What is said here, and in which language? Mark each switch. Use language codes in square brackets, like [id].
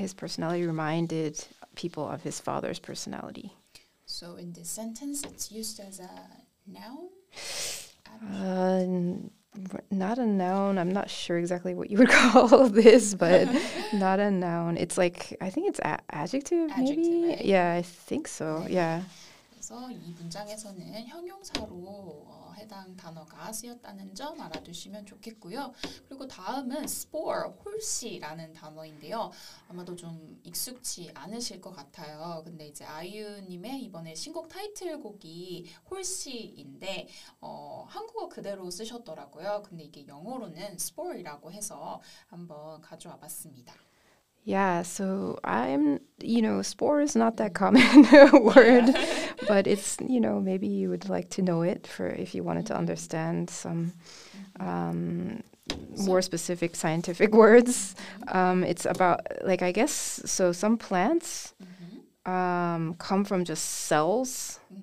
[en] His personality reminded people of his father's personality. So in this sentence, it's used as a noun? Not a noun. I'm not sure exactly what you would call this, but not a noun. It's like, I think it's adjective, maybe? Adjective, right? Yeah, I think so, 네. yeah. [ko] 그래서 이 문장에서는 형용사로 해당 단어가 쓰였다는 점 알아두시면 좋겠고요. 그리고 다음은 spore, 홀씨라는 단어인데요. 아마도 좀 익숙치 않으실 것 같아요. 근데 이제 아이유님의 이번에 신곡 타이틀곡이 홀씨인데 한국어 그대로 쓰셨더라고요. 근데 이게 영어로는 spore이라고 해서 한번 가져와 봤습니다. [en] Yeah, so I'm, you know, spore is not that common word, <Yeah. laughs> but it's, you know, maybe you would like to know it for if you wanted to understand some more specific scientific words. It's about, like, I guess, so some plants come from just cells.